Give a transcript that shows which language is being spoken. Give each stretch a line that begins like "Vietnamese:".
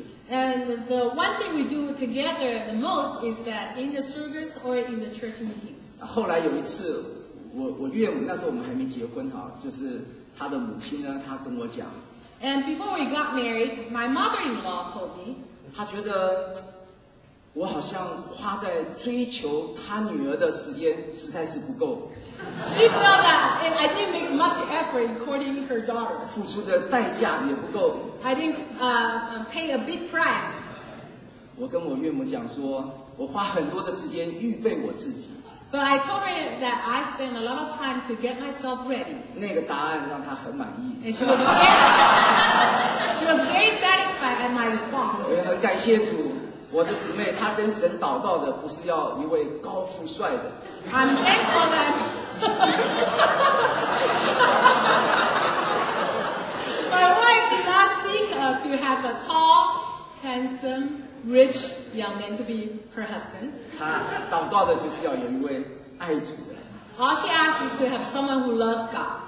English: And the one thing we do together the most is that in the service or in the church meetings.
Chinese: 后来有一次，我岳母那时候我们还没结婚哈，就是她的母亲呢，她跟我讲。
English: And before we got married, my mother-in-law told me.
Chinese: 她觉得我好像花在追求她女儿的时间实在是不够。
English: She felt that and I didn't make much effort in courting her daughter.
Chinese: 付出的代价也不够。
English: I didn't pay a big price.
Chinese: 我跟我岳母讲说，我花很多的时间预备我自己。
English: But I told her that I spent a lot of time to get myself ready.
Chinese: 那个答案让她很满意。
English: And she was very satisfied at my response.
Chinese: 我也很感谢主。我的姊妹，她跟神祷告的不是要一位高富帅的。
English: I'm thankful that. My wife did not seek to have a tall, handsome, rich young man to be her husband.
Chinese: 她祷告的就是要有一位爱主的。
English: All she asks is to have someone who loves God.